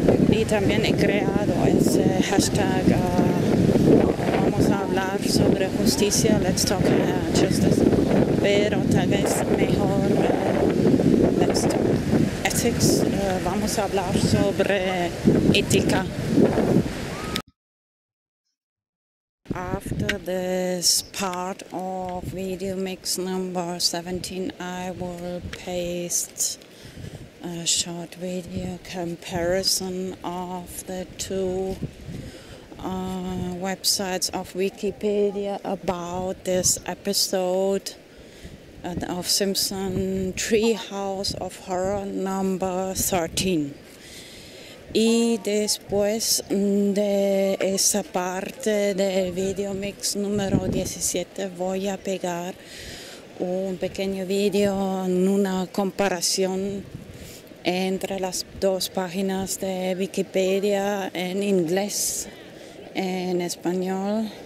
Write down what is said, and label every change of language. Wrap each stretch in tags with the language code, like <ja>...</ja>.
<es>Y también he creado ese hashtag Vamos a hablar sobre justicia,</es> <en>Let's Talk Justice,</en> <es>pero tal vez mejor</es> <en>Let's Talk Ethics,</en> <es>Vamos a hablar sobre ética.</es> <en>After this part of video mix number 17, I will paste a short video comparison of the two websites of Wikipedia about this episode of Simpson Treehouse of Horror number 13.</en> <es>Y después de esa parte del video mix número 17 voy a pegar un pequeño video en una comparación entre las dos páginas de Wikipedia en inglés, en español.</es>